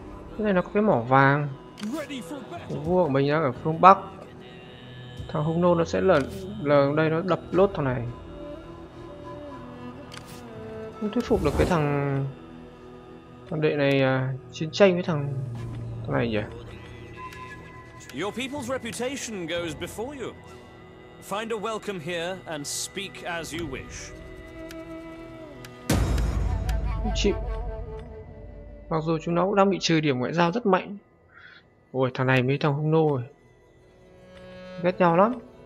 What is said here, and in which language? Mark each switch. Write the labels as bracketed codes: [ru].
[vi] Cái này nó có cái mỏ vàng. Vua của mình đang ở phương Bắc. Thằng Hung Nô nó sẽ là đây nó đập lốt thằng này. Không thuyết phục được cái thằng đệ này chiến tranh với thằng này nhỉ. [en] Your people's reputation goes before you. Find a welcome here and speak as you wish. [vi] Chịu. Mặc dù chúng nó cũng đang bị trừ điểm ngoại giao rất mạnh. Ôi thằng này mới thằng Hung Nô rồi. Ghét nhau lắm.